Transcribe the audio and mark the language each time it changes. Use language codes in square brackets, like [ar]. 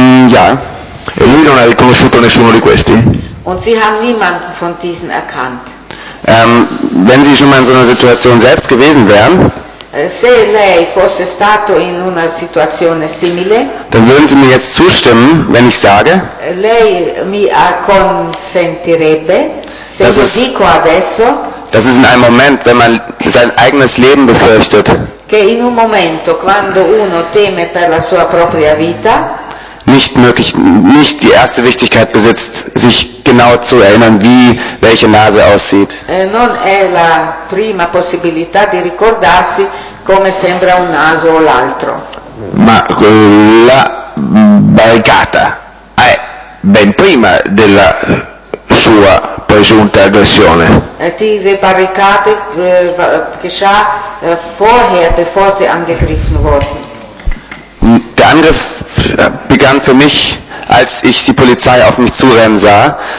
[it] Ja, e lui non ha riconosciuto nessuno di questi? [de] Und Sie haben niemanden von diesen erkannt. Wenn Sie schon mal in so einer Situation selbst gewesen wären, [it] se lei fosse stato in una situazione simile, [de] dann würden Sie mir jetzt zustimmen, wenn ich sage, [it] lei mi acconsentirebbe, se lo dico adesso, [de] das ist in einem Moment, wenn man sein eigenes Leben befürchtet, [it] che in un momento, quando uno teme per la sua propria vita, [de] nicht möglich, nicht die erste Wichtigkeit besitzt, sich genau zu erinnern, wie welche Nase aussieht. [it] Non è la prima possibilità di ricordarsi come sembra un naso o l'altro. Ma la barricata è ben prima della sua presunta aggressione. [de] Diese Barrikade geschah vorher, bevor sie angegriffen wurden. Der Angriff begann für mich, als ich die Polizei auf mich zurennen sah.